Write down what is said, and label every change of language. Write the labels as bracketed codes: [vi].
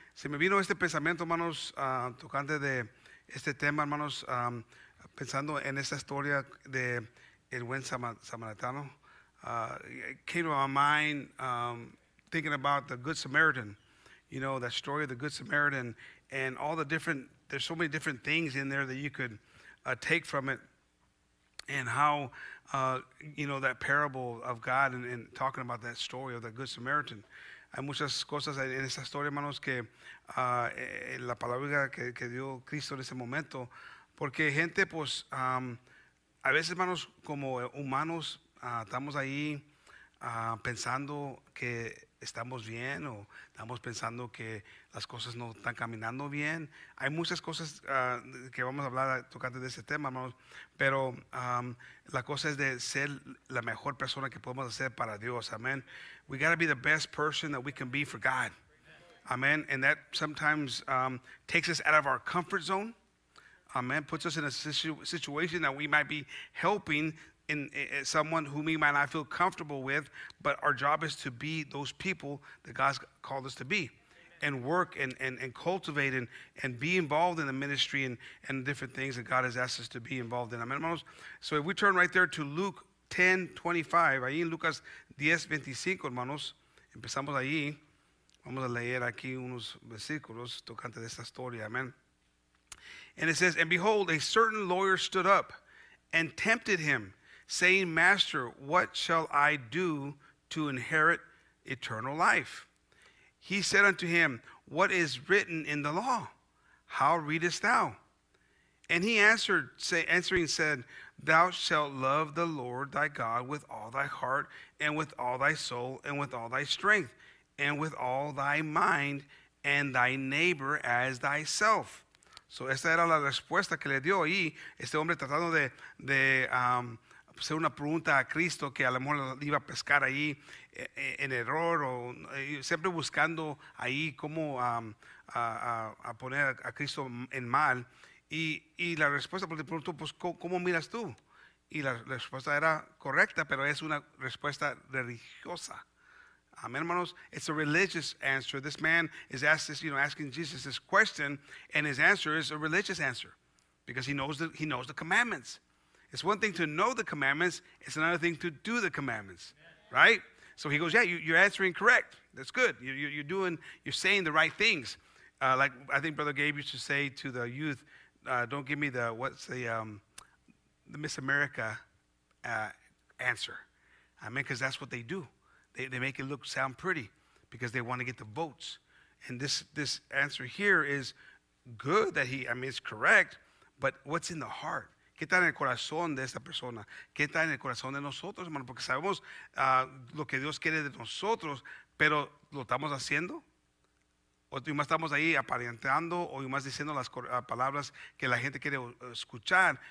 [es] Se me vino este pensamiento, hermanos, tocante de este tema, hermanos, pensando en esta historia de el buen samaritano. [en] Came to my mind thinking about the Good Samaritan, you know, that story of the Good Samaritan, and all the different, there's so many different things in there that you could take from it, and how, you know, that parable of God and talking about that story of the Good Samaritan. [es] Hay muchas cosas en esa historia, hermanos, que la palabra que dio Cristo en ese momento. Porque gente, pues, a veces, hermanos, como humanos, estamos ahí pensando que estamos bien o estamos pensando que las cosas no están caminando bien. Hay muchas cosas que vamos a hablar tocando de ese tema, hermanos. Pero la cosa es de ser la mejor persona que podemos ser para Dios. Amén. [en] We got to be the best person that we can be for God. Amen. And that sometimes takes us out of our comfort zone. Amen. Puts us in a situation that we might be helping in someone who we might not feel comfortable with. But our job is to be those people that God's called us to be. And work and cultivate and be involved in the ministry and different things that God has asked us to be involved in. Amen. So if we turn right there to Luke 10:25, [es] ahí en Lucas 10:25, hermanos, empezamos ahí. Vamos a leer aquí unos versículos tocante de esta historia. [en] Amen. And it says, "And behold, a certain lawyer stood up and tempted him, saying, Master, what shall I do to inherit eternal life? He said unto him, What is written in the law? How readest thou? And he answered, said, Thou shalt love the Lord thy God with all thy heart and with all thy soul and with all thy strength and with all thy mind and thy neighbor as thyself. [es] So esta era la respuesta que le dio ahí este hombre tratando de hacer una pregunta a Cristo que a lo mejor iba a pescar ahí en error o siempre buscando ahí cómo a poner a Cristo en mal. Y la respuesta, porque preguntó, pues, ¿cómo miras tú? Y la respuesta era correcta, pero es una respuesta religiosa. Amén, hermanos. [en] It's a religious answer. This man is asked this, you know, asking Jesus this question, and his answer is a religious answer because he knows the commandments. It's one thing to know the commandments. It's another thing to do the commandments, right? So he goes, yeah, you're answering correct. That's good. You're saying the right things. Like I think Brother Gabe used to say to the youth, don't give me the Miss America answer. I mean, because that's what they do. They make it look sound pretty because they want to get the votes. And this answer here is good that it's correct, but what's in the heart? [es] ¿Qué está en el corazón de esta persona? ¿Qué está en el corazón de nosotros, hermano? Porque sabemos lo que Dios quiere de nosotros, pero ¿lo estamos haciendo? ¿O más estamos ahí aparentando o más diciendo las palabras que la gente quiere escuchar?